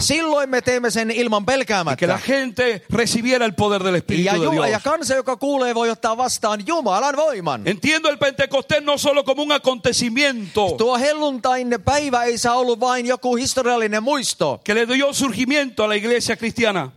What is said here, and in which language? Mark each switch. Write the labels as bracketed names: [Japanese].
[Finnish] Silloin me teemme sen ilman pelkäämättä. [Spanish] Y que la gente recibiera el poder del Espíritu [Finnish] ja [Spanish] de Dios. [Finnish] Ja kansa, joka kuulee, voi ottaa vastaan Jumalan voiman. [Spanish] Entiendo el Pentecostés no solo como un acontecimiento. [Finnish] Tuo helluntain päivä ei saa ollut vain joku historiallinen muisto. [Spanish] Que le dio surgimiento a la iglesia cristiana.